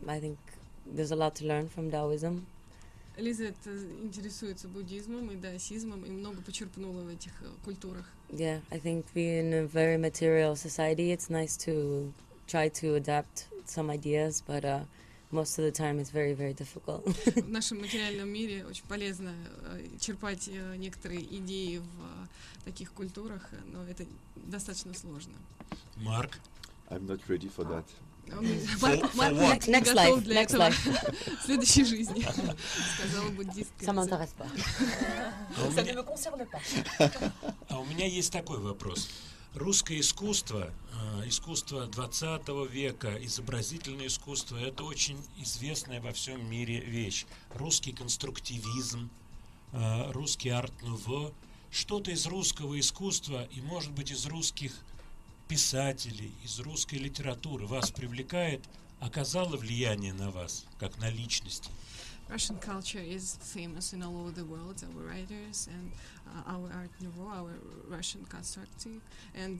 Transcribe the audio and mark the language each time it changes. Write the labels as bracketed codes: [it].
[en] I think there's a lot to learn from Taoism. [ru] Элизабет интересуется буддизмом и даосизмом и много почерпнула в этих культурах. [en] Yeah, I think being a very material society, it's nice to try to adapt some ideas, but most of the time it's very, very difficult. [ru] В нашем материальном мире очень полезно черпать некоторые идеи в таких культурах, но это достаточно сложно. Марк, [en] I'm not ready for that. Next life. [ru] Следующей жизни. Сказала буддистка. [fr] Ça m'intéresse pas. Ça ne me concerne pas. [ru] А у меня есть такой вопрос. Русское искусство, искусство 20 века, изобразительное искусство, это очень известная во всем мире вещь. Русский конструктивизм, русский арт-нуво, что-то из русского искусства и, может быть, из русских писателей, из русской литературы вас привлекает, оказало влияние на вас, как на личности? [en] Russian culture is famous in all over the world, our writers and our art nouveau, our Russian constructive and